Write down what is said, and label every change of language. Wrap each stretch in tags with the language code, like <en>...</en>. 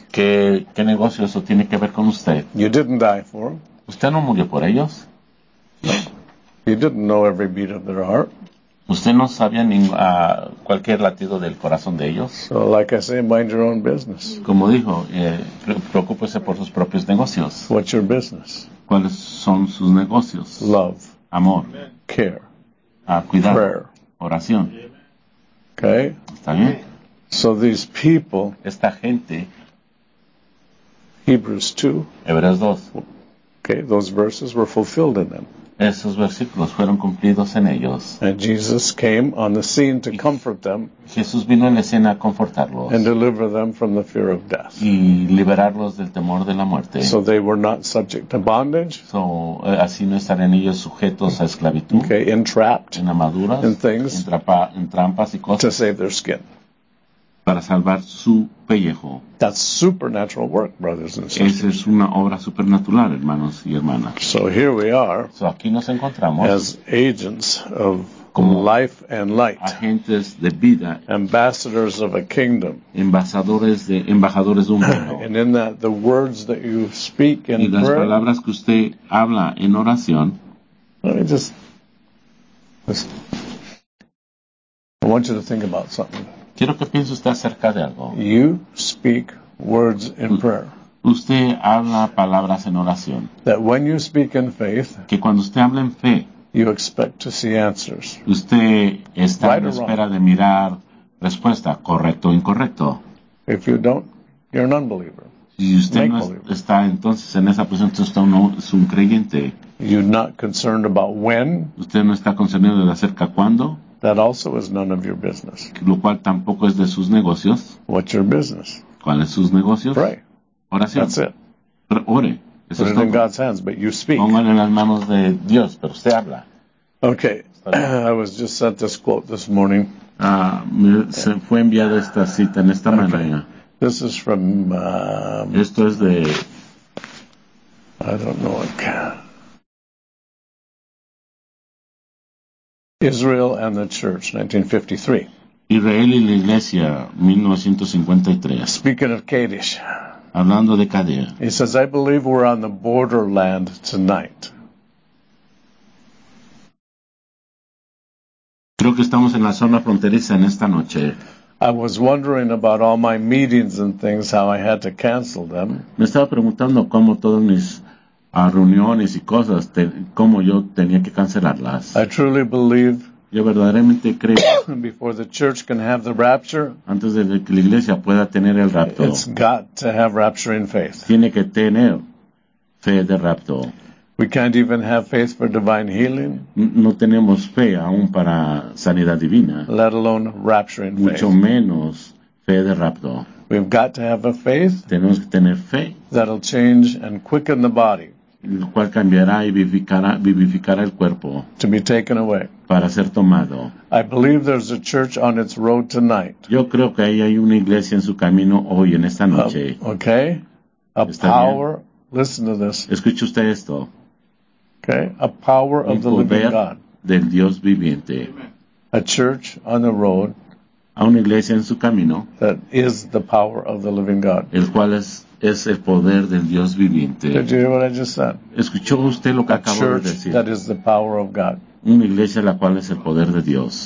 <es>¿Qué negocio eso tiene que ver con usted?</es> <en>You didn't die for them.</en> <es>¿Usted no murió por ellos?</es> <en>No. You didn't know every beat of their heart.</en> <es>Usted no sabía a cualquier latido del corazón de ellos.</es> <en>So, like I say, mind your own business.</en> <es>Como dijo, preocúpese por sus propios negocios.</es> <en>What's your business?</en> <es>¿Cuáles son sus negocios?</es> <en>Love.</en> <es>Amor.</es> <en>Care.</en> <es>Cuidar.</es> <en>Prayer.</en> <es>Oración.</es> <en>Okay.</en> <es>Está bien.</es> <en>So these people.</en> <es>Esta gente.</es> <en>Hebrews 2.</en> <es>Hebreos 2.</es> <en>Okay, those verses were fulfilled in them.</en> <es>Esos versículos fueron cumplidos en ellos.</es> <en>And Jesus came on the scene to comfort them.</en> <es>Jesús vino en la escena a confortarlos.</es> <en>And deliver them from the fear of death.</en> <es>Y liberarlos del temor de la muerte.</es> <en>So they were not subject to bondage.</en> <es>So así no estarían ellos sujetos a esclavitud.</es> <en>Okay, entrapped.</en> <es>En amaduras.</es> <en>In things.</en> <es>En trampas y cosas.</es> <en>To save their skin.</en> <es>Para salvar su pellejo.</es> <en>That's supernatural work, brothers and sisters.</en> <es>Esa es una obra supernatural, hermanos y hermanas.</es> <en>So here we are.</en> <es>So aquí nos encontramos.</es> <en>As agents of como life and light.</en> <es>Agentes de vida.</es> <en>Ambassadors of a kingdom.</en> <es>Embajadores de un reino.</es> <en>And in that, the words that you speak in prayer.</en> <es>Y las palabras que usted habla en oración.</es> <en>Let me just. I want you to think about something.</en> <es>Quiero que piense usted acerca de algo.</es> <en>You speak words in prayer.</en> <es>Usted habla palabras en oración.</es> <en>That when you speak in faith,</en> <es>que cuando usted habla en fe,</es> <en>you expect to see answers.</en> <es>Usted está en espera de mirar respuesta, correcto o incorrecto.</es> <en>If you don't, you're an unbeliever.</en> <es>Si usted no está entonces en esa posición, entonces usted no es un creyente.</es> <en>You're not concerned about when.</en> <es>Usted no está concernido de acerca cuándo.</es> <en>That also is none of your business.</en> <es>Lo cual tampoco es de sus negocios.</es> <en>What's your business?</en> <es>¿Cuáles sus negocios?</es> <en>Pray.</en> <es>Oración.</es> <en>That's it.</en> <es>Ore.</es> <en>Eso put it in God's hands, but you speak.</en> <es>Pongan en las manos de Dios, pero usted habla.</es> <en>Okay. I was just sent this quote this morning.</en> <es>Se fue enviada esta cita en esta mañana.</es> <en>This is from.</en> <es>Esto es de.</es> <en>I don't know what. Israel and the Church, 1953.</en> <es>Israel y la Iglesia, 1953.</es> <en>Speaking of Kadesh.</en> <es>Hablando de Kadesh.</es> <en>He says, I believe we're on the borderland tonight.</en> <es>Creo que estamos en la zona fronteriza en esta noche.</es> <en>I was wondering about all my meetings and things, how I had to cancel them.</en> <es>Me estaba preguntando cómo todos mis a reuniones y cosas como yo tenía que cancelarlas.</es> <en>I truly believe</en> <es>yo verdaderamente creo</es> <en>before the church can have the rapture,</en> <es>antes de que la iglesia pueda tener el rapto,</es> <en>it's got to have rapture in faith.</en> <es>Tiene que tener fe de rapto.</es> <en>We can't even have faith for divine healing.</en> <es>No tenemos fe aún para sanidad divina.</es> <en>Let alone rapture in</en> <es>mucho</es> <en>faith.</en> <es>Menos fe de rapto.</es> <en>We've got to have a faith</en> <es>tenemos que tener fe</es> <en>that'll change and quicken the body,</en> <es>el cual cambiará y vivificará el cuerpo</es> <en>to be taken away.</en> <es>Para ser tomado.</es> <en>I believe there's a church on its road tonight.</en> <es>Yo creo que ahí hay una iglesia en su camino hoy en esta noche.</es> <en>Okay, a</en> <es>está</es> <en>power.</en> <es>Bien.</es> <en>Listen to this.</en> <es>Escuche usted esto.</es> <en>Okay, a power of the living God.</en> <es>Un poder del Dios viviente.</es> <en>A church on the road.</en> <es>A una iglesia en su camino.</es> <en>That is the power of the living God.</en> <es>El cual es el poder del Dios viviente.</es> <en>Did you hear what I just said?</en> <es>¿Escuchó usted lo que acabo de decir?</es> <en>That is the power of God.</en> <es>Una iglesia la cual es el poder de Dios.</es>